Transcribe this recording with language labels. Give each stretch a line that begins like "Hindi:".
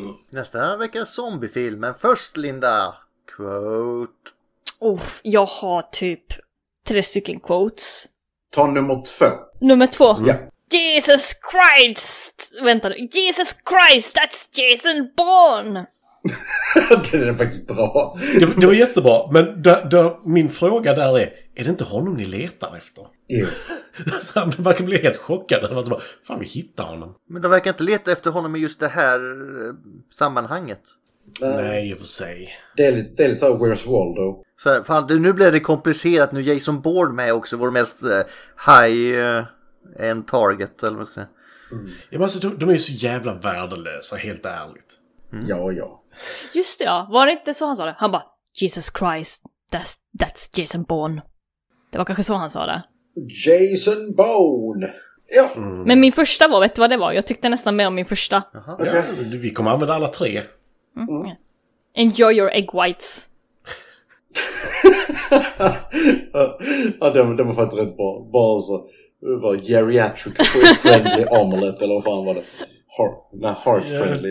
Swedish: Nästa vecka zombiefilm, men först Linda, quote. Jag har typ 3 stycken quotes. Ta nummer 2. Nummer 2? Ja.
English: Jesus Christ!
Swedish: Vänta nu.
English: Jesus Christ, that's Jason Bourne!
Swedish: Det är faktiskt bra. Det var jättebra, men min fråga där är det inte honom ni letar efter? Man verkar bli helt chockad. Fan, vi hittar honom. Men de verkar inte leta efter honom i just det här sammanhanget. Nej, i och för sig. Det är lite av Where's Waldo. Fan, nu blir det komplicerat. Nu Jason Bourne med också, vår mest
English: high end target.
Swedish: Eller vad ska jag säga. Ja, men alltså, de är ju så jävla värdelösa, helt ärligt. Mm. Ja. Just det, ja. Var det inte så han sa det? Han bara,
English: Jesus Christ, that's Jason Bourne.
Swedish: Det var kanske så han sa det. Jason Bourne! Ja. Mm. Men min första var, vet du vad det var? Jag tyckte nästan mer om min första. Jaha. Okay. Ja, vi kommer använda alla 3. Mm.
English: Enjoy your egg whites.
Swedish: Ja, det var faktiskt rätt bra. Bara så, var
English: geriatric friendly omelette,
Swedish: eller vad fan var det?
English: Heart-friendly.